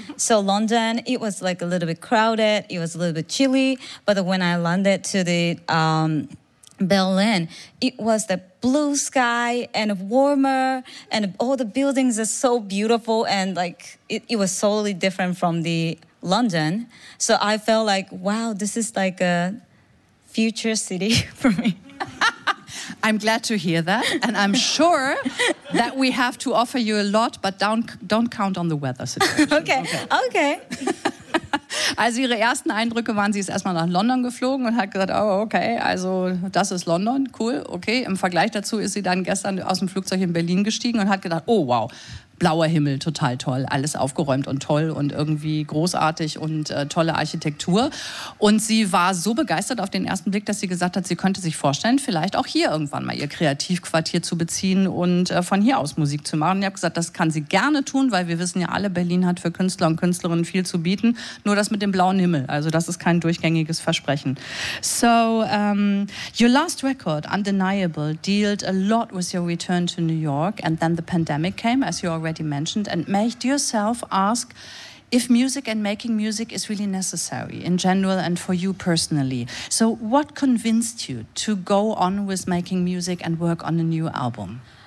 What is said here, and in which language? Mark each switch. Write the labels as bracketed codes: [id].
[en] So London, it was like a little bit crowded, it was a little bit chilly, but when I landed to the Berlin, it was the blue sky and warmer and all the buildings are so beautiful and like it was totally different from the London. So I felt like, wow, this is like a future city for me. I'm glad to hear that. And I'm sure that we have to offer you a lot, but don't count on the weather situation. Okay. [de] Also ihre ersten Eindrücke waren, sie ist erstmal nach London geflogen und hat gesagt, oh okay, also das ist London, cool, okay. Im Vergleich dazu ist sie dann gestern aus dem Flugzeug in Berlin gestiegen und hat gedacht, oh wow, blauer Himmel, total toll, alles aufgeräumt und toll und irgendwie großartig und tolle Architektur. Und sie war so begeistert auf den ersten Blick, dass sie gesagt hat, sie könnte sich vorstellen, vielleicht auch hier irgendwann mal ihr Kreativquartier zu beziehen und von hier aus Musik zu machen. Ich habe gesagt, das kann sie gerne tun, weil wir wissen ja alle, Berlin hat für Künstler und Künstlerinnen viel zu bieten. Nur das mit dem blauen Himmel, also das ist kein durchgängiges Versprechen. [en] So, your last record, Undeniable, dealt a lot with your return to New York and then the pandemic came, as you already mentioned, and made yourself ask if music and making music is really necessary in general and for you personally. So what convinced you to go on with making music and work on a new album?